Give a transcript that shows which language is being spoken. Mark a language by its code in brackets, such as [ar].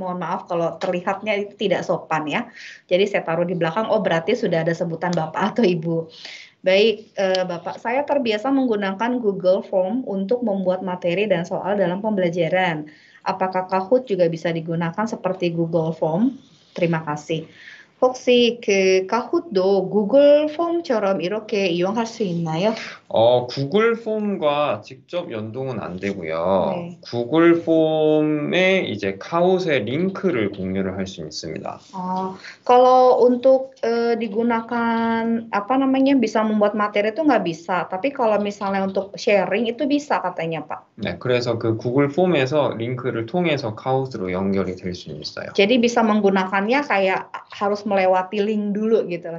[id] Mohon maaf kalau terlihatnya itu tidak sopan ya. Jadi saya taruh di belakang, oh berarti sudah ada sebutan Bapak atau Ibu. Baik, Bapak, saya terbiasa menggunakan Google Form untuk membuat materi dan soal dalam pembelajaran. Apakah Kahoot juga bisa digunakan seperti Google Form? Terima kasih. [ko] 혹시 그 카훗도 구글 폼처럼 이렇게 이용할 수 있나요? 구글 폼과 직접 연동은 안 되고요. 네. 구글 폼에 이제 카훗의 링크를 공유를 할 수 있습니다. [id] 그럼 untuk digunakan apa namanya bisa membuat materi itu nggak bisa. Tapi kalau misalnya untuk sharing itu bisa katanya Pak. [ko] 네, 그래서 그 구글 폼에서 링크를 통해서 카훗으로 연결이 될 수 있어요. [id] Jadi bisa menggunakannya kayak harus melewati link dulu gitu loh.